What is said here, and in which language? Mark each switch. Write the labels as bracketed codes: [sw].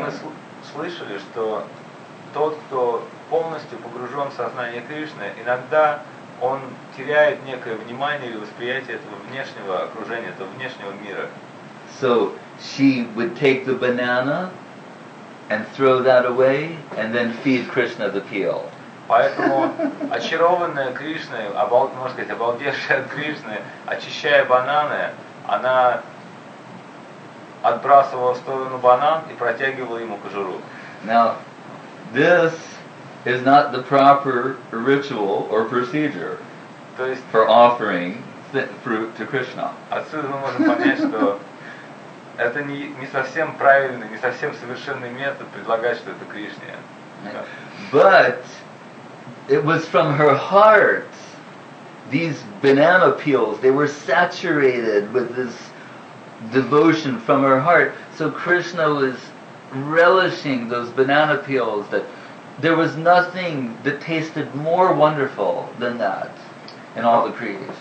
[ru] И мы слышали, что тот, кто полностью погружен в сознание Кришны, иногда он теряет некое внимание или восприятие этого внешнего окружения, этого внешнего мира. [en] So she would take the banana and throw that away and then feed Krishna the peel. [ru] Поэтому очарованная Кришной, обалдевшая от Кришны, очищая бананы, она отбрасывала в сторону банан и протягивала ему кожуру. [en] Now, this is not the proper ritual or procedure for offering fruit to Krishna. [ru] Отсюда мы можем понять, что это не совсем правильный, не совсем совершенный метод предлагать что-то Кришне. [en] But it was from her heart. These banana peels, they were saturated with this devotion from her heart. So Krishna was relishing those banana peels that there was nothing that tasted more wonderful than that in all the creation.